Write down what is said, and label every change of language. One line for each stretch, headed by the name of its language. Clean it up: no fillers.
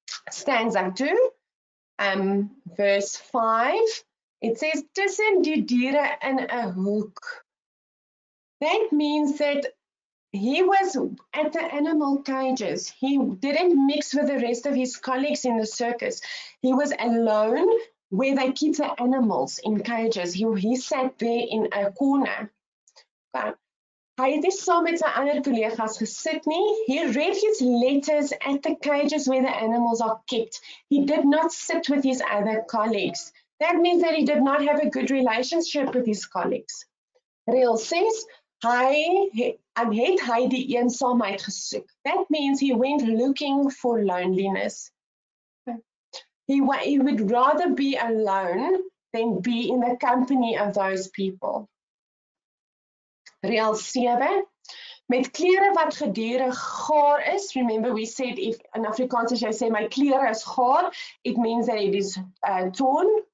English: Stanza 2, verse 5, it says,
Afrikaans: "Tussen die diere in 'n hoek."
English: That means that he was at the animal cages. He didn't mix with the rest of his colleagues in the circus. He was alone where they keep the animals in cages. He sat there in a corner.
Afrikaans: Hy het nie saam met sy ander kollegas gesit nie.
English: He read his letters at the cages where the animals are kept. He did not sit with his other colleagues. That means that he did not have a good relationship with his colleagues.
Afrikaans: Reel 6, hy het die eensaamheid gesoek.
English: That means he went looking for loneliness. He would rather be alone than be in the company of those people.
Afrikaans: Reel 7, met klere wat gedurig gaar is.
English: Remember we said if in Afrikaans
Afrikaans: as jy sê my klere is gaar,
English: it means that it is torn.